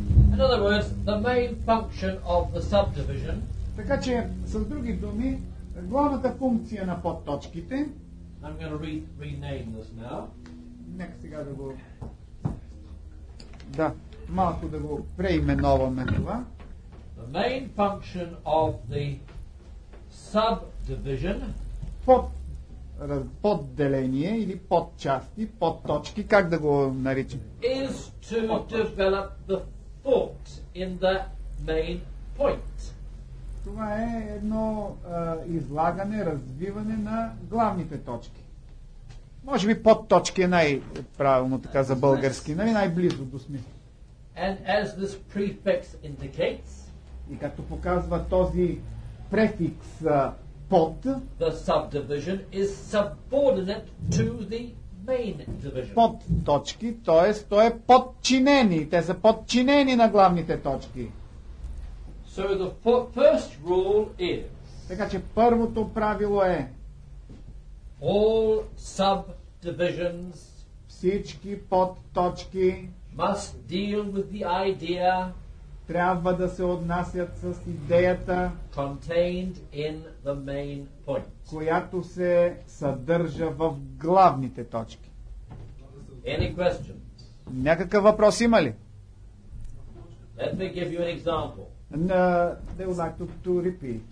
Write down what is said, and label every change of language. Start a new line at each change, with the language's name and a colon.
English: In other words, the main function of the subdivision.
Bulgarian: Така че, с други думи, главната функция на подточките.
English: I'm going to rename this now.
Bulgarian: Нека сега да го да, малко да го преименуваме това.
English: The main function of the subdivision
Bulgarian: под подделение или подчасти, подточки, как да го наричам?
English: Is to develop the thought in the main point.
Bulgarian: Това е едно излагане, развиване на главните точки. Може би подточки е най-правилно така за български, нали, най-близо до смисъл.
English: And as this prefix indicates,
Bulgarian: и както показва този префикс под,
English: the subdivision is subordinate to the main division.
Bulgarian: Под точки, т.е. то е подчинени, те са подчинени на главните точки.
English: So the first rule is,
Bulgarian: така че първото правило е,
English: all subdivisions,
Bulgarian: всички подточки,
English: must deal with the idea,
Bulgarian: трябва да се отнасят с идеята,
English: contained in the main point,
Bulgarian: която се съдържа в главните точки.
English: Any questions?
Bulgarian: Някакъв въпрос има ли?
English: Let me give you an example. No, they would like to repeat.